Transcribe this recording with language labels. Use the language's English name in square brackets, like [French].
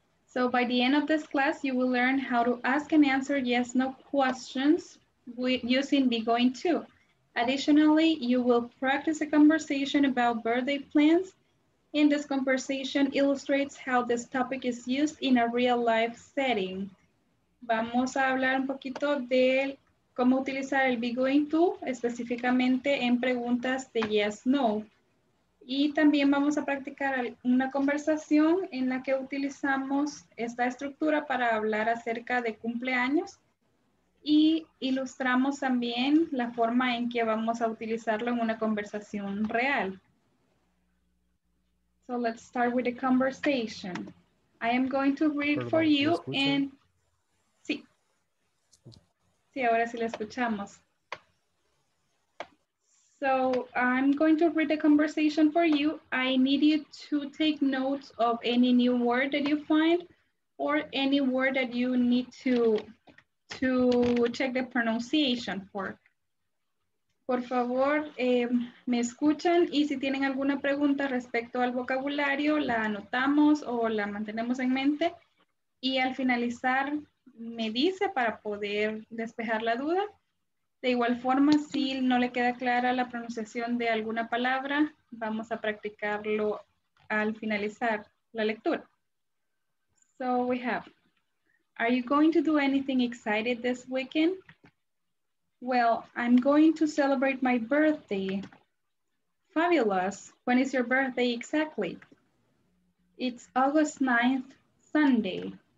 [English] So by the end of this class, you will learn how to ask and answer yes, no questions using be going to. Additionally, you will practice a conversation about birthday plans. And this conversation illustrates how this topic is used in a real life setting. [Spanish] Vamos a hablar un poquito de cómo utilizar el be going to, específicamente en preguntas de yes, no. Y también vamos a practicar una conversación en la que utilizamos esta estructura para hablar acerca de cumpleaños. Y ilustramos también la forma en que vamos a utilizarlo en una conversación real. [English] So let's start with the conversation. I am going to read for you and... [Spanish] Sí. Sí, ahora sí la escuchamos. [English] So I'm going to read the conversation for you. I need you to take notes of any new word that you find or any word that you need to check the pronunciation for. [Spanish] Por favor, me escuchan y si tienen alguna pregunta respecto al vocabulario, la anotamos o la mantenemos en mente. Y al finalizar, me dice para poder despejar la duda. De igual forma, si no le queda clara la pronunciación de alguna palabra, vamos a practicarlo al finalizar la lectura. [English] So we have, are you going to do anything excited this weekend? Well, I'm going to celebrate my birthday. Fabulous. When is your birthday exactly? It's August 9th, Sunday.